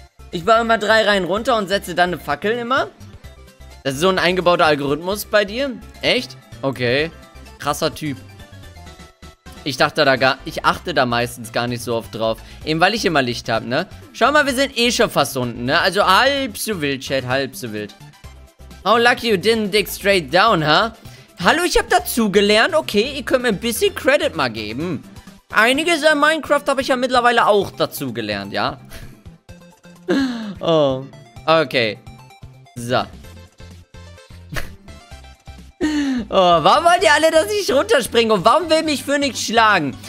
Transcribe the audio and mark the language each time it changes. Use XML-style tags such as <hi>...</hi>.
<de>Ich baue immer 3 Reihen runter und setze dann eine Fackel immer. Das ist so ein eingebauter Algorithmus bei dir. Echt? Okay. Krasser Typ. Ich dachte da gar... Ich achte da meistens gar nicht so oft drauf. Eben weil ich immer Licht habe, ne? Schau mal, wir sind eh schon fast unten, ne? Also halb so wild, Chat. Halb so wild.</de> <en>How lucky you didn't dig straight down, huh?</en> <de>Hallo, ich habe dazugelernt. Okay, ihr könnt mir ein bisschen Credit mal geben. Einiges an Minecraft habe ich ja mittlerweile auch dazugelernt, ja? Oh. Okay. So. Oh, warum wollt ihr alle, dass ich runterspringe? Und warum will mich Phoenix schlagen?</de>